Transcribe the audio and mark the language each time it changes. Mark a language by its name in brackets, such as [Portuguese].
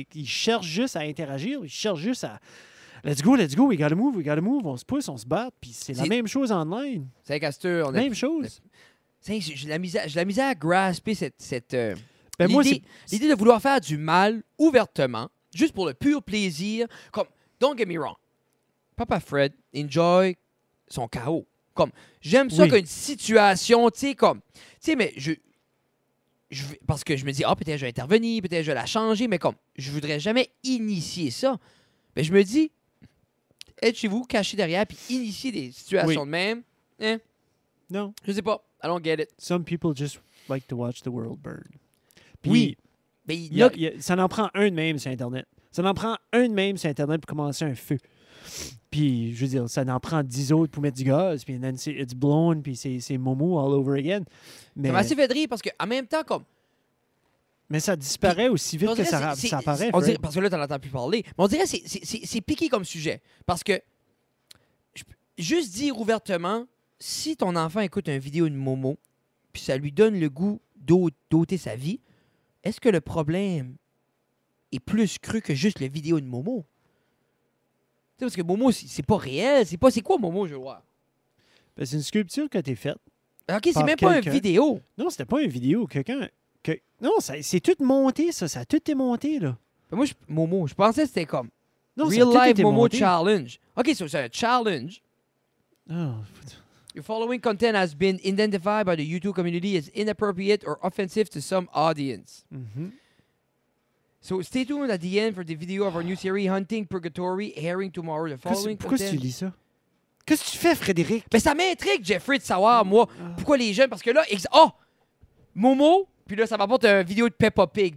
[French] Il cherche juste à interagir. Il cherche juste à... [English] let's go, we gotta move. [French] On se pousse, on se bat. Puis c'est la même chose en ligne. C'est un casteur. Même chose. J'ai la misère à grasper cette ben l'idée, moi, l'idée de vouloir faire du mal ouvertement, juste pour le pur plaisir. [English] Comme, don't get me wrong, Papa Fred enjoy son chaos. [French] Comme, j'aime ça qu'une situation, tu sais, comme, tu sais, mais je parce que je me dis, peut-être je vais intervenir, peut-être je vais la changer, mais comme, je voudrais jamais initier ça. Mais je me dis, être chez vous, caché derrière, puis initier des situations de même, hein? Non. Je sais pas. [English] I don't get it. Some people just like to watch the world burn. [French] Puis, ça en prend un de même sur Internet. Ça en prend un de même sur Internet pour commencer un feu. Puis, je veux dire, ça en prend 10 autres pour mettre du gaz. [English] Puis, then it's blown. [French] Puis, c'est [English] momo all over again. [French] Mais, ça m'a assez fait de rire parce qu'en même temps, comme... mais ça disparaît aussi vite que ça apparaît. On dirait, parce que là, tu n'en entends plus parler. Mais on dirait que c'est piqué comme sujet. Parce que, juste dire ouvertement... si ton enfant écoute une vidéo de Momo, puis ça lui donne le goût d'ôter sa vie, est-ce que le problème est plus cru que juste la vidéo de Momo? T'sais, parce que Momo, c'est pas réel. C'est quoi Momo, je vois? Ben, c'est une sculpture que t'es faite. OK, c'est même pas une vidéo. Non, c'était pas une vidéo. Non, ça, c'est tout monté, ça. Ça a tout été monté, là. Ben, moi, Momo, je pensais que c'était comme Real Life Momo monté. Challenge. OK, so, c'est un challenge. Oh, [English] your following content has been identified by the YouTube community as inappropriate or offensive to some audience. Mm-hmm. So stay tuned at the end for the video of our new series Hunting Purgatory airing tomorrow. The following [French] pourquoi tu lis ça? Qu'est-ce que tu fais, Frédéric? Mais ça m'intrigue, Jeffrey, de savoir, moi, pourquoi les jeunes... parce que là, Momo, puis là, ça m'apporte une vidéo de Peppa Pig.